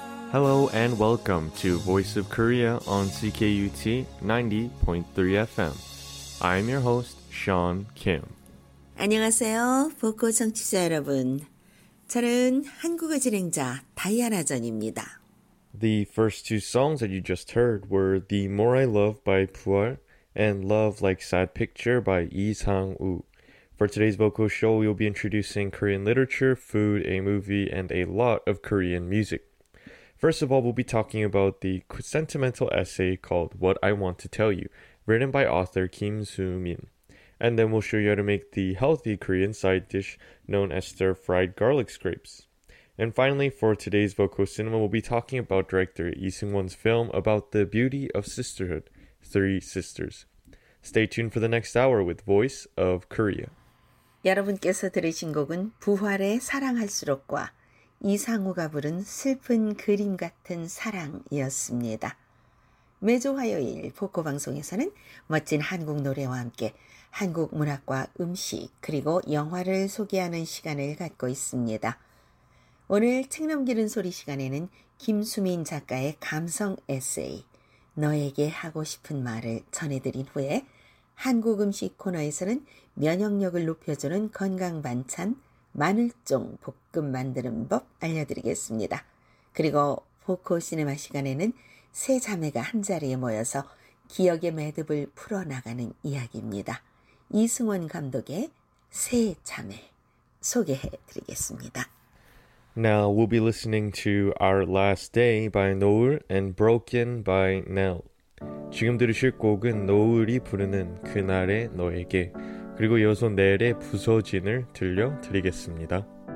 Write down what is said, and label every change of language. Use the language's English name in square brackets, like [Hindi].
[English] Hello and welcome to Voice of Korea on CKUT 90.3 FM. I'm your host, Sean Kim. [Korean] 안녕하세요, 보고 청취자 여러분. 저는 한국어 진행자 다이아나 전입니다. [English] The first two songs that you just heard were The More I Love by Puar and Love Like Sad Picture by Lee Sang-woo. For today's vocal show, we will be introducing Korean literature, food, a movie, and a lot of Korean music. First of all, we'll be talking about the sentimental essay called What I Want to Tell You, written by author Kim Soo-min. And then we'll show you how to make the healthy Korean side dish known as stir-fried garlic scrapes. And finally, for today's vocal cinema, we'll be talking about director Lee Seung-won's film about the beauty of sisterhood, Three Sisters. Stay tuned for the next hour with Voice of Korea. [Korean] 여러분께서 들으신 곡은 부활의 사랑할수록과 이상우가 부른 슬픈 그림 같은 사랑이었습니다. 매주 화요일 포코 방송에서는 멋진 한국 노래와 함께 한국 문학과 음식 그리고 영화를 소개하는 시간을 갖고 있습니다. 오늘 책 넘기는 소리 시간에는 김수민 작가의 감성 에세이 너에게 하고 싶은 말을 전해드린 후에 한국 음식 코너에서는 면역력을 높여주는 건강 반찬 마늘종 볶음 만드는 법 알려드리겠습니다. 그리고 포코 시네마 시간에는 세 자매가 한자리에 모여서 기억의 매듭을 풀어나가는 이야기입니다. 이승원 감독의 세 자매 소개해 드리겠습니다. [English] Now we'll be listening to Our Last Day by Noel and Broken by Nell. [Korean] 지금 들으실 곡은 노을이 부르는 그날의 너에게 그리고 여소 넬의 부서진을 들려드리겠습니다.